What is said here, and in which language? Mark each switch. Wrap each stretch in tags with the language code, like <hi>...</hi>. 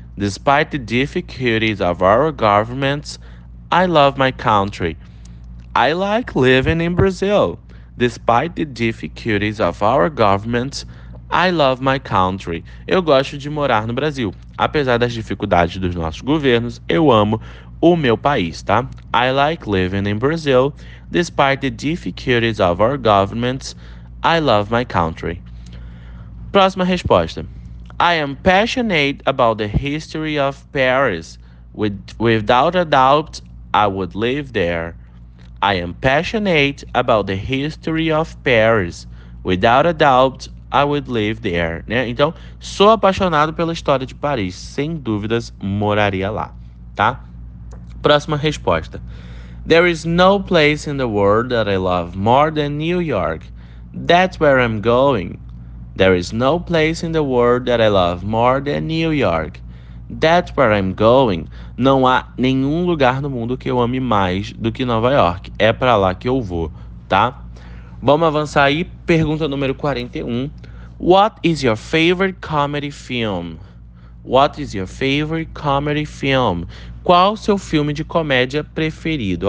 <en>Despite the difficulties of our governments, I love my country. I like living in Brazil. Despite the difficulties of our government, I love my country.</en> <pt>Eu gosto de morar no Brasil. Apesar das dificuldades dos nossos governos, eu amo o meu país, tá?</pt> <en>I like living in Brazil. Despite the difficulties of our government, I love my country.</en> <pt>Próxima resposta.</pt> <en>I am passionate about the history of Paris. Without a doubt, I would live there. I am passionate about the history of Paris. Without a doubt, I would live there.</en> <pt>Né? Então, sou apaixonado pela história de Paris. Sem dúvidas, moraria lá. Tá? Próxima resposta.</pt> <en>There is no place in the world that I love more than New York. That's where I'm going. There is no place in the world that I love more than New York. That's where I'm going.</en> <pt>Não há nenhum lugar no mundo que eu ame mais do que Nova York. É para lá que eu vou, tá? Vamos avançar aí. Pergunta número 41.</pt> <en>What is your favorite comedy film? What is your favorite comedy film?</en> <pt>Qual o seu filme de comédia preferido?</pt>